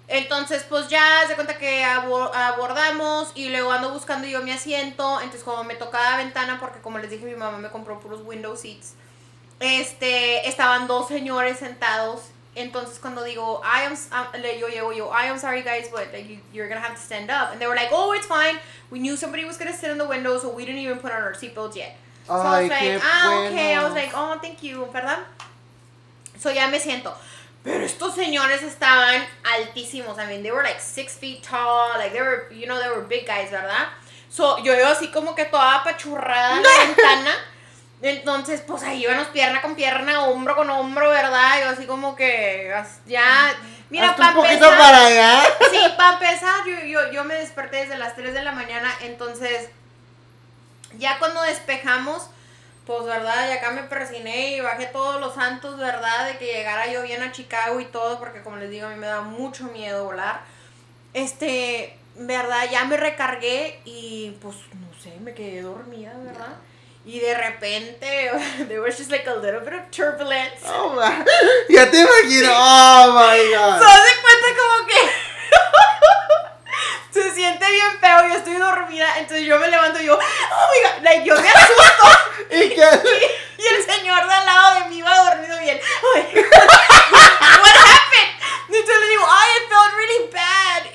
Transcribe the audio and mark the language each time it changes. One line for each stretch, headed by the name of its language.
Spanish: Entonces, pues ya se cuenta que abordamos y luego ando buscando yo mi asiento, entonces como me tocaba ventana, porque como les dije, mi mamá me compró puros window seats, estaban dos señores sentados, entonces cuando digo,
English: I am sorry guys, but like you're gonna have to stand up. And they were like, oh, it's fine, we knew somebody was gonna sit in the window, so we didn't even put on our seatbelts yet. So ay, I was like,
Spanish: bueno.
English: Okay, I was like, oh, thank you, ¿verdad?
Spanish: So ya me siento. Pero estos señores estaban altísimos.
English: I mean, they were like 6 feet tall. Like, they were, you know, they were big guys, ¿verdad?
Spanish: So yo iba así como que toda apachurrada en la ventana. Entonces, pues ahí íbamos pierna con pierna, hombro con hombro, ¿verdad? Yo así como que ya... Mira, hasta un poquito para allá. Sí, para empezar, yo me desperté desde las 3 de la mañana, entonces... Ya cuando despejamos, pues, ¿verdad? Y acá me persiné y bajé todos los santos, ¿verdad? De que llegara yo bien a Chicago y todo, porque como les digo, a mí me da mucho miedo volar. ¿Verdad? Ya me recargué y, pues, no sé, me quedé dormida, ¿verdad?
English: Yeah.
Spanish: Y de repente,
English: there was just like a little bit of turbulence. Oh, man.
Spanish: Ya te imagino.
English: Oh, my God.
Spanish: Se hace cuenta como que... Se siente bien feo, yo estoy dormida, entonces yo me levanto y yo,
English: oh my God, like,
Spanish: yo me asusto. ¿Y qué? Y el señor de al lado de mí iba dormido bien.
English: Oh my God, what happened?
Spanish: Entonces le digo, ay,
English: it felt really bad.